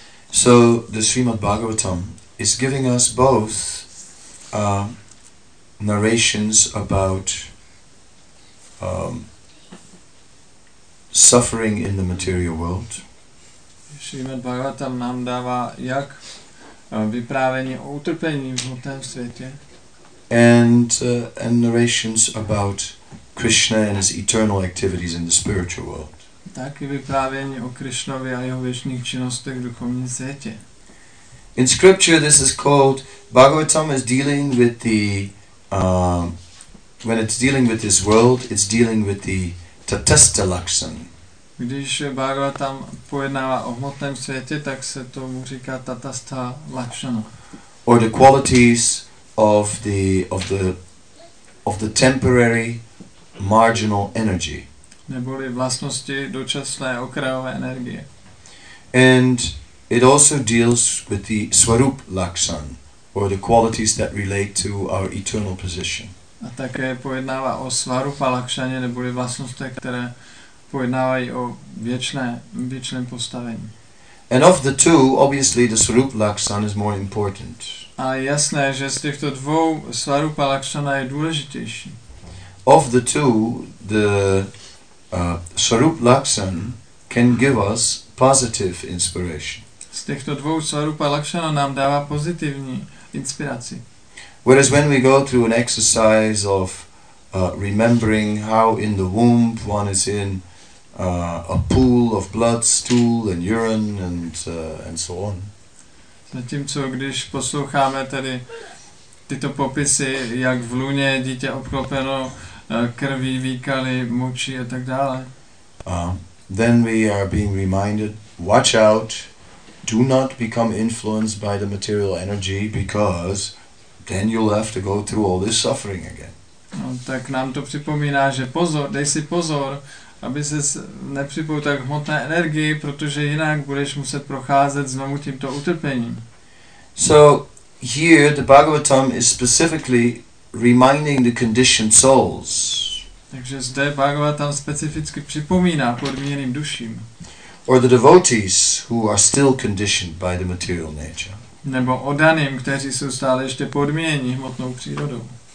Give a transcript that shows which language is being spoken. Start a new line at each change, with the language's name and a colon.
English: So the Srimad Bhagavatam is giving us both narrations about suffering in the material world.
Czech: Srimad Bhagavatam nám dává jak vyprávění o utrpení v hmotném světě.
English: And narrations about Krishna and his eternal activities in the spiritual world.
Czech: Taky vyprávění o Krishnovi a jeho věčných činnostech v duchovním světě.
English: In scripture this is called Bhagavatam is dealing with the when it's dealing with this world, it's dealing with the tatastha lakshan.
Czech: Když Bhagavatam pojednává o hmotném světě, tak se tomu říká tatastha lakshana.
English: Or the qualities of the temporary marginal energy.
Czech: Neboli vlastnosti dočasné okrajové energie.
English: And it also deals with the swarup lakshan, or the qualities that relate to our eternal position.
Czech: A také pojednává o svarupa lakshaně, neboli vlastnostech, které pojednávají o věčném postavení.
English: And of the two, obviously the swarup lakshan is more important.
Czech: A jasné, že z těchto dvou svarupa lakshana je důležitější.
English: Of the two, the Swarup Lakshan can give us positive inspiration.
Czech: Z těchto dvou Swarupa Lakshana nám dává pozitivní inspiraci.
English: Whereas when we go through an exercise of remembering how in the womb one is in a pool of blood, stool and urine and so on.
Czech: Zatímco když posloucháme tady tyto popisy, jak v lůně dítě obklopeno krví, výkaly, mučí a tak dále.
English: Then we are being reminded, watch out, do not become influenced by the material energy, because then you'll have to go through all this suffering again.
Czech: No, tak nám to připomíná, že pozor, dej si pozor, aby se nepřipoutal k hmotné energii, protože jinak budeš muset procházet znovu tímto utrpením.
English: So, here the Bhagavatam is specifically reminding the conditioned souls.
Czech: Takže zde Bhagavatam specificky připomíná podmíněným duším.
English: Or the devotees who are still conditioned by the material nature.
Czech: Nebo oddaným, kteří jsou stále ještě podmíněni hmotnou přírodou.